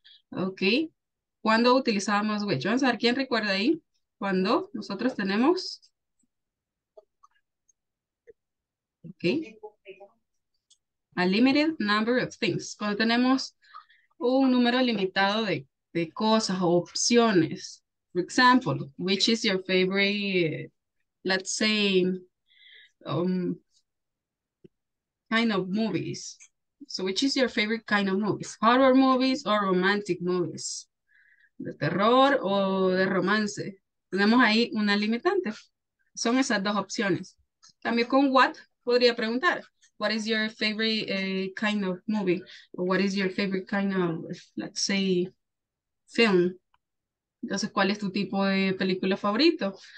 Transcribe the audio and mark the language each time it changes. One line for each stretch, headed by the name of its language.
Spanish: Okay. ¿Cuándo utilizábamos which? Vamos a ver quién recuerda ahí. ¿Cuándo nosotros tenemos?
English: Okay, a limited number of things.
Spanish: Cuando tenemos un número limitado de cosas o opciones.
English: For example, which is your favorite, let's say, kind of movies. So which is your favorite kind of movies? Horror movies or romantic movies?
Spanish: ¿De terror o de romance? Tenemos ahí una limitante. Son esas dos opciones. También con what podría preguntar.
English: What is your favorite kind of movie? Or what is your favorite kind of, let's say, film?
Spanish: Entonces, ¿cuál es tu tipo de película favorito?